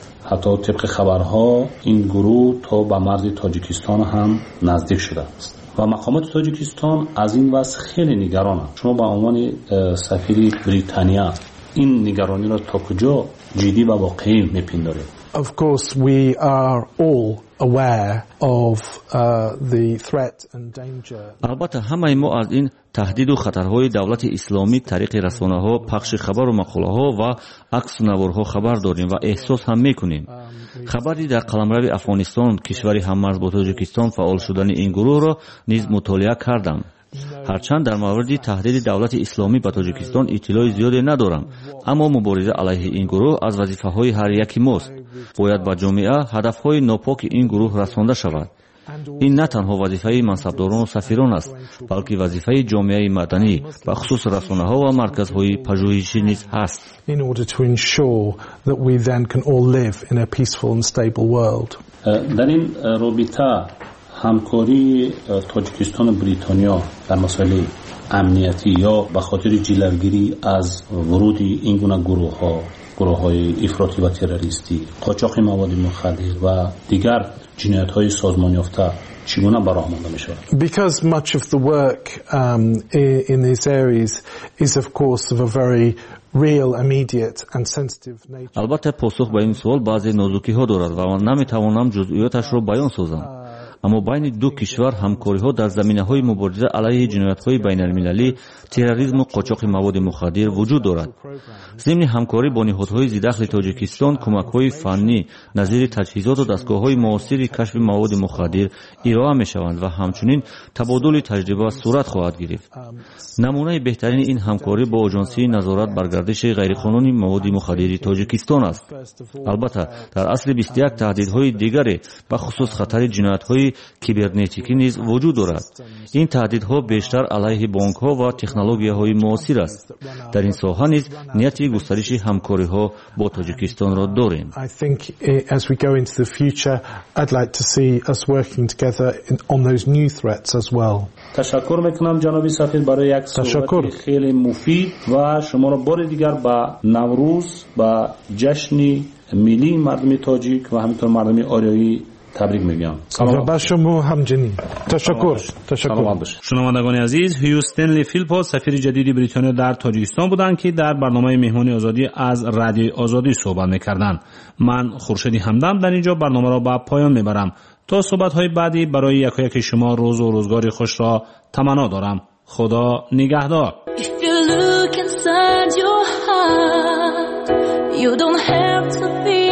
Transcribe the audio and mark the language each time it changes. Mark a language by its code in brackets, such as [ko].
[fa] حتی طبق خبرها این گروه تا به مرز تاجیکستان هم نزدیک شده است و مقامات تاجیکستان از این وضع خیلی نگران هست. شما به عنوان سفیر بریتانیا این نگرانی را تا کجا جدی و واقعی می پندارید؟ [en] Of course we are all aware of the threat and danger. [fa] البته همه ما از این تهدید و خطرهای دولت اسلامی طریق رسانه ها، پخش خبر و مقاله ها و عکس نوار ها خبر داریم و احساس هم میکنیم. خبری در قلمرو افغانستان، کشوری هممرز با تاجیکستان فعال شدن این گروه را نیز مطالعه کردم. هرچند در مورد تهدید دولت اسلامی به تاجیکستان اطلاع زیادی ندارم، اما مبارزه علیه این گروه از وظیفه های هر یکی ماست. باید با جامعه هدف های ناپاک این گروه رسانده شود. این نه تنها وظیفه منصبداران و سفیران است، بلکه وظیفه جامعه مدنی و خصوص رسانه ها و مرکز های پژوهشی نیز هست. [en] In order to ensure that we then can all live in a peaceful and stable world. [fa] در این رابطه همکاری تاجیکستان و بریتانیا در مسائل امنیتی یا به خاطر جلوگیری از ورود این گونه گروه ها، گروه های افراطی و تروریستی، قاچاق مواد مخدر و دیگر جنایت های سازمان یافته چگونه براه مانده می شود؟ [en] Because much of the work in these areas is of course of a very real immediate and sensitive nature. [fa] البته پاسخ به این سوال بعضی نازکی ها دارد و من نمی توانم جزئیاتش را بیان سازم، اما بین دو کشور همکاری ها در زمینه های مبارزه علیه جنایت های بین المللی، تروریسم و قاچاق مواد مخدر وجود دارد. ضمن همکاری با نهادهای ضد دخل تاجیکستان، کمک های فنی نظیر تجهیزات و دستگاه های معاصر کشف مواد مخدر ارائه می شوند و همچنین تبادل تجربه صورت خواهد گرفت. نمونه بهترین این همکاری با آژانسی نظارت بر گردش غیرقانونی مواد مخدر تاجیکستان است. البته در اصل 21 تهدیدهای دیگری به خصوص خطر جنایت کیبرنتیکی نیز وجود دارد. این تهدیدها بیشتر علیه بانک ها و تکنولوژی های معاصر است. در این ساحه نیز نیت گسترش همکاری ها با تاجیکستان را داریم. [en] I think as we go into the future I'd like to see us working together on those new threats as well. [fa] تشکر میکنم جناب سفیر برای یک صحبت خیلی مفید و شما را بار دیگر با نوروز با جشن ملی مردم تاجیک و همینطور مردم آریایی تبریک میگم. سلام به شما همچنین. تشکر. شنوندگان عزیز، هیوستنلی فیلپو سفیر جدید بریتانیا در تاجیکستان بودند که در برنامه مهمانی آزادی از رادیو آزادی صحبت میکردند. من خورشید همدم در اینجا برنامه را به پایان میبرم. تا صحبت های بعدی برای یک و یک شما روز و روزگاری خوش را تمنا دارم. خدا نگهدار. [en] If you look inside your heart, you don't have to...